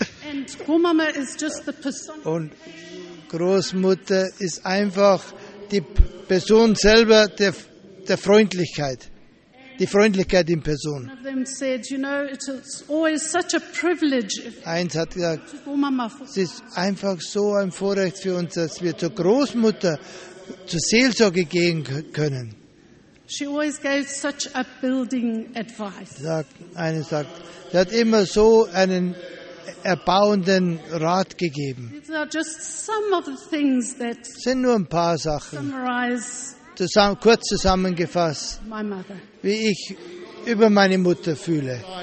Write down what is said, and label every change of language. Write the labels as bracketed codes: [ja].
[en] And Grandmama is just the person. [de] Und Großmutter ist einfach die Person selber der Freundlichkeit. Die Freundlichkeit in Person. [en] One of them said, you know, it's always such a privilege. [de] Eins hat gesagt, es ist einfach so ein Vorrecht für uns, dass wir zur Großmutter, zur Seelsorge gehen können. [en] She always gave such a building advice. [de] Sie hat immer so einen erbauenden Rat gegeben. [en] These are just some of the things that [de] sind nur ein paar Sachen. [en] Summarize [de] kurz zusammengefasst, [en] my mother. [de] Wie ich über meine Mutter fühle.